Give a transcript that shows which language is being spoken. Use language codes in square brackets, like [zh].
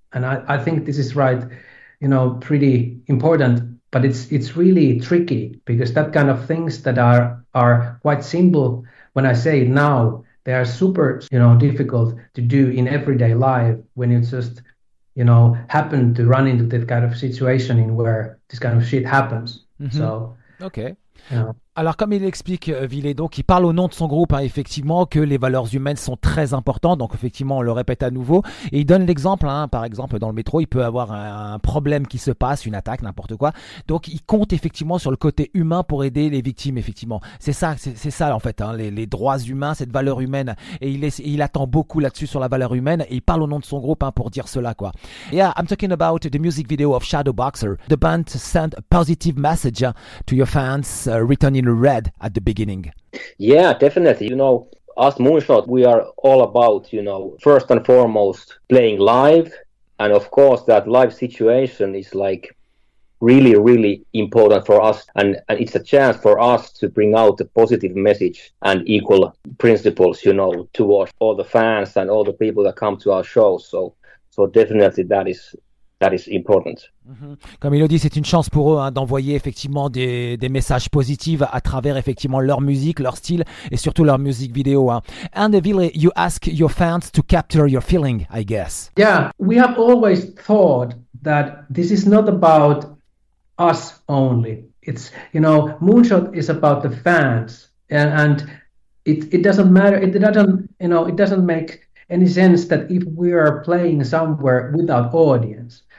[en] And I think this is right, you know, pretty important, but it's really tricky because that kind of things that are quite simple when I say now, they are super, you know, difficult to do in everyday life when you just, you know, happen to run into that kind of situation in where this kind of shit happens. Mm-hmm. So, okay. [fr] Alors, comme il explique, Villet, donc, il parle au nom de son groupe, hein, effectivement, que les valeurs humaines sont très importantes. Donc, effectivement, on le répète à nouveau. Et il donne l'exemple, hein, par exemple, dans le métro, il peut avoir un problème qui se passe, une attaque, n'importe quoi. Donc, il compte effectivement sur le côté humain pour aider les victimes, effectivement. C'est ça, en fait, hein, les droits humains, cette valeur humaine. Et il attend beaucoup là-dessus sur la valeur humaine. Et il parle au nom de son groupe, hein, pour dire cela, quoi. [en] Yeah, I'm talking about the music video of Shadow Boxer. The band sent a positive message to your fans, written in red at the beginning. Yeah, definitely. You know, us Moonshot, we are all about, you know, first and foremost, playing live. And of course, that live situation is like really, really important for us. And it's a chance for us to bring out a positive message and equal principles, you know, towards all the fans and all the people that come to our show. So definitely that is important. [fr] Comme il le dit, c'est une chance pour eux, hein, d'envoyer effectivement des messages positifs à travers effectivement leur musique, leur style et surtout leur musique vidéo. Hein. [en] And Ville, you ask your fans to capture your feeling, I guess. Yeah, we have always thought that this is not about us only. It's, you know, Moonshot is about the fans, and it doesn't matter. It doesn't make any sense that if we are playing somewhere without audience.